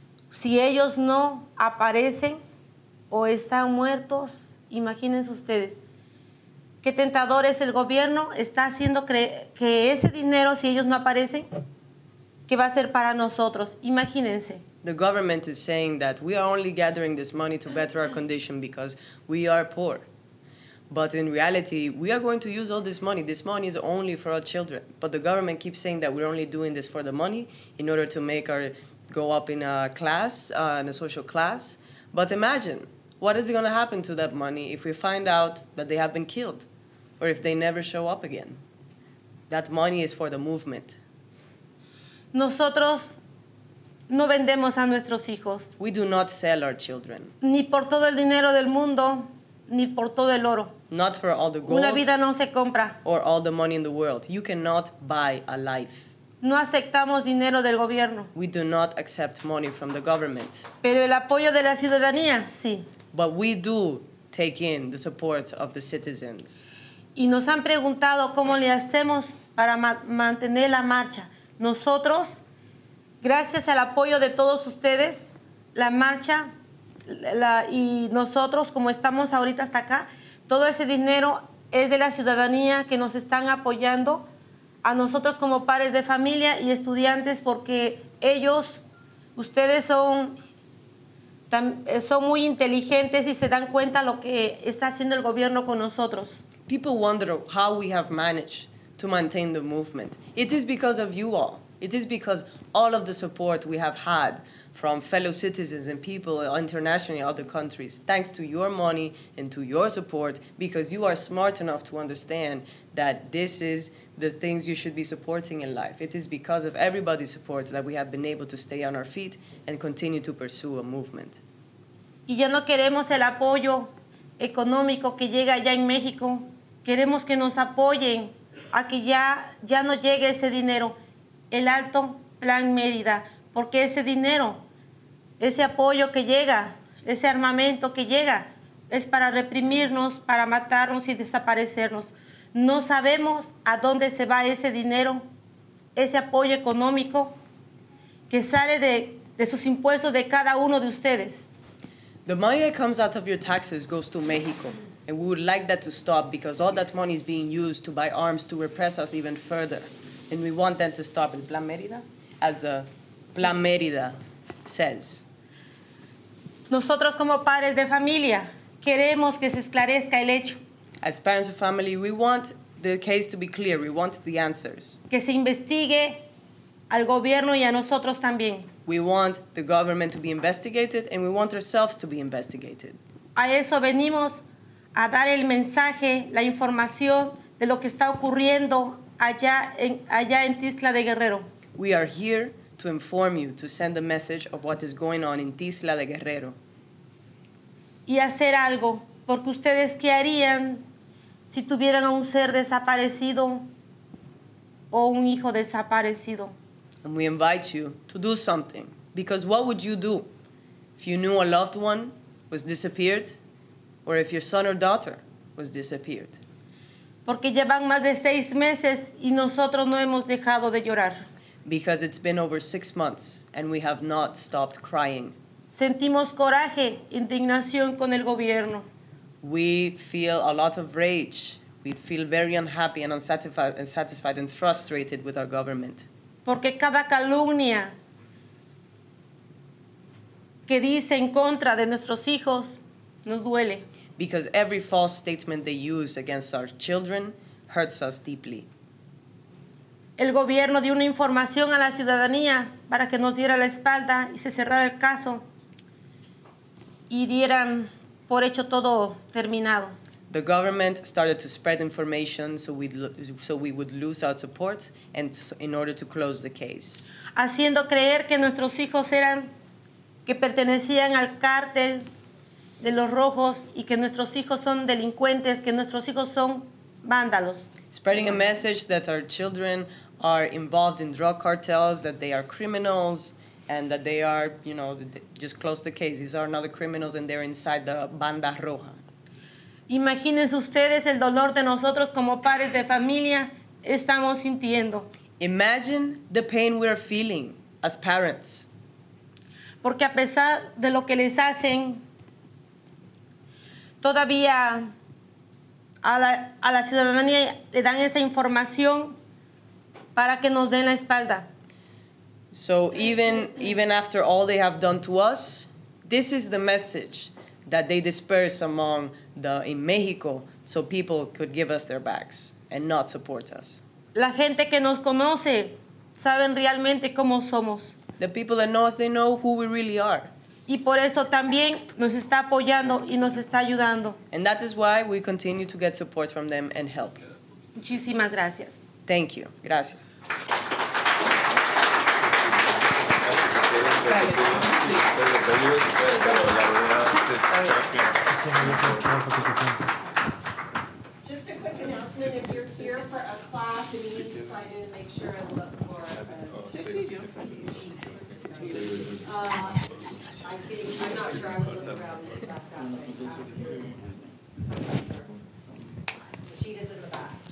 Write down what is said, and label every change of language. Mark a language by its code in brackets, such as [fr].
[es] si ellos no aparecen o están muertos, imagínense ustedes, qué tentador es el gobierno, está haciendo que ese dinero, si ellos no aparecen, ¿qué va a ser para nosotros? Imagínense. [en] The government is saying that we are only gathering this money to better our condition because we are poor. But in reality, we are going to use all this money. This money is only for our children. But the government keeps saying that we're only doing this for the money in order to make our go up in a class, in a social class. But imagine, What is going to happen to that money if we find out that they have been killed or if they never show up again? That money is for the movement. [es] Nosotros no vendemos a nuestros hijos. [en] We do not sell our children. [es] Ni por todo el dinero del mundo, ni por todo el oro. [en] Not for all the gold. [es] Una vida no se compra. [en] Or all the money in the world. You cannot buy a life. [es] No aceptamos dinero del gobierno. [en] We do not accept money from the government. [es] Pero el apoyo de la ciudadanía, sí. [en] But we do take in the support of the citizens. [es] Y nos han preguntado cómo le hacemos para mantener la marcha. Nosotros, gracias al apoyo de todos ustedes, la marcha y nosotros, como estamos ahorita hasta acá, todo ese dinero es de la ciudadanía que nos están apoyando a nosotros como padres de familia y estudiantes, porque ellos, ustedes son muy inteligentes y se dan cuenta lo que está haciendo el gobierno con nosotros. [en] People wonder how we have managed to maintain the movement. It is because of you all. It is because all of the support we have had from fellow citizens and people internationally in other countries, thanks to your money and to your support, because you are smart enough to understand that this is the things you should be supporting in life. It is because of everybody's support that we have been able to stay on our feet and continue to pursue a movement. [es] Y ya no queremos el apoyo económico que llega allá en México. Queremos que nos apoyen a que ya no llegue ese dinero, el Alto Plan Mérida, porque ese dinero, ese apoyo que llega, ese armamento que llega, es para reprimirnos, para matarnos y desaparecernos. No sabemos a dónde se va ese dinero, ese apoyo económico que sale de sus impuestos de cada uno de ustedes. [en] The money that comes out of your taxes goes to Mexico, and we would like that to stop because all that money is being used to buy arms to repress us even further, and we want them to stop. El Plan Mérida, as the Plan Mérida says. [es] Nosotros como padres de familia queremos que se esclarezca el hecho. [en] As parents of family, we want the case to be clear. We want the answers. [es] Que se investigue al gobierno y a nosotros también. [en] We want the government to be investigated, and we want ourselves to be investigated. [es] A eso venimos, a dar el mensaje, la información de lo que está ocurriendo allá en Tizla de Guerrero. [en] We are here to inform you, to send a message of what is going on in Tizla de Guerrero. [es] Y hacer algo, porque ustedes qué harían si tuvieran a un ser desaparecido o un hijo desaparecido. [en] And we invite you to do something, because what would you do if you knew a loved one was disappeared or if your son or daughter was disappeared? [es] Porque llevan más de 6 meses y nosotros no hemos dejado de llorar. [en] Because it's been over 6 months and we have not stopped crying. [es] Sentimos coraje, indignación con el gobierno. [en] We feel a lot of rage. We feel very unhappy and unsatisfied and frustrated with our government. [es] Porque cada calumnia que dice en contra de nuestros hijos nos duele. [en] Because every false statement they use against our children hurts us deeply. [es] El gobierno dio una información a la ciudadanía para que nos diera la espalda y se cerrara el caso y dieran por hecho todo terminado. [en] The government started to spread information so we would lose our support and in order to close the case. [es] Haciendo creer que nuestros hijos eran, que pertenecían al cártel de los rojos y que nuestros hijos son delincuentes, que nuestros hijos son vándalos. [en] Spreading a message that our children are involved in drug cartels, that they are criminals, and that they are, you know, just close the case. These are not the criminals and they're inside the banda roja. [es] Imagínense ustedes el dolor de nosotros como padres de familia estamos sintiendo. [en] Imagine the pain we are feeling as parents. [es] Porque a pesar de lo que les hacen, todavía a la ciudadanía le dan esa información para que nos den la espalda. [en] So even after all they have done to us, this is the message that they disperse among the in Mexico so people could give us their backs and not support us. [es] La gente que nos conoce saben realmente cómo somos. [en] The people that know us, they know who we really are. [es] Y por eso también nos está apoyando y nos está ayudando. [en] And that is why we continue to get support from them and help. [es] Muchísimas gracias. [en] Thank you. [es] Gracias. [en] Just a quick announcement, if you're here for a class and you need to sign in, make sure and look for I'm not sure I'm looking around the sheet is in the back.